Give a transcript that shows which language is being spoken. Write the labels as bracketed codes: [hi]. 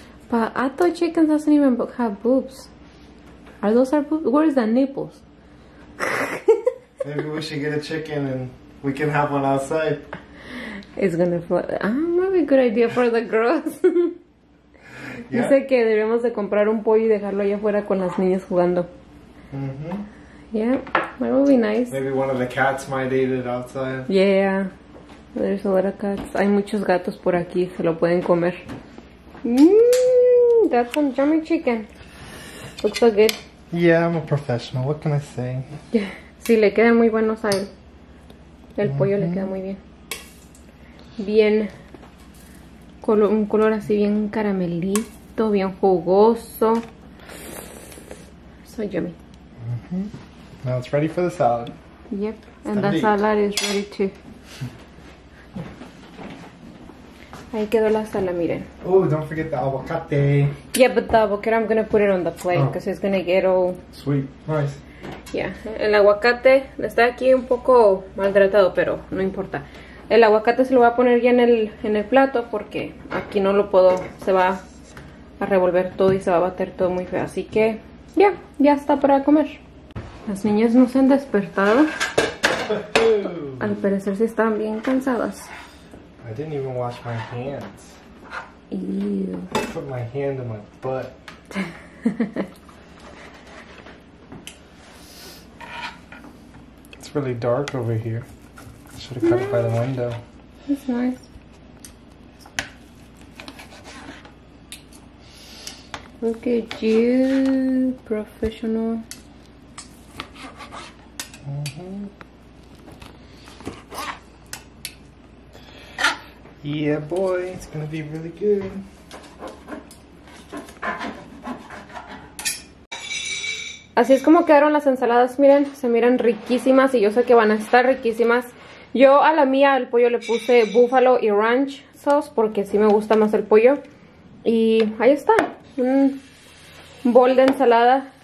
[en] But I thought chickens doesn't even have boobs. Are those our boobs? Where is the nipples? Maybe we should get a chicken and we can have one outside. It's gonna flood. Ah, might be a good idea for the girls. Yeah. [es] Dice que debemos de comprar un pollo y dejarlo allá afuera con las niñas jugando. [en] Mm-hmm. Yeah, that would be nice. Maybe one of the cats might eat it outside. Yeah, there's a lot of cats. [es] Hay muchos gatos por aquí, se lo pueden comer. [en] Mmm, that's some yummy chicken. Looks so good. Yeah, I'm a professional, what can I say? Yeah. [es] Sí, le quedan muy buenos a él. El pollo le queda muy bien. Bien. Un color así bien caramelito, bien jugoso. [en] So yummy. Now it's ready for the salad. Yep, and the salad is ready too. [es] Ahí quedó la sala, miren. [en] Oh, don't forget the avocado. Yeah, but the avocado, I'm going to put it on the plate because it's going to get all... Sweet, nice. [es] Yeah, el aguacate está aquí un poco maltratado, pero no importa. El aguacate se lo voy a poner ya en el plato porque aquí no lo puedo, se va a revolver todo y se va a bater todo muy feo. Así que ya, ya está para comer. Las niñas no se han despertado. Al parecer sí están bien cansadas. [en] I didn't even wash my hands. Ew. I put my hand in my butt. It's really dark over here. I should have cut it by the window. That's nice. Look at you, professional. Yeah, boy, it's gonna be really good. [es] Así es como quedaron las ensaladas, miren, se miran riquísimas y yo sé que van a estar riquísimas. Yo a la mía, al pollo, le puse buffalo y ranch sauce porque sí me gusta más el pollo. Y ahí está, un bol de ensalada.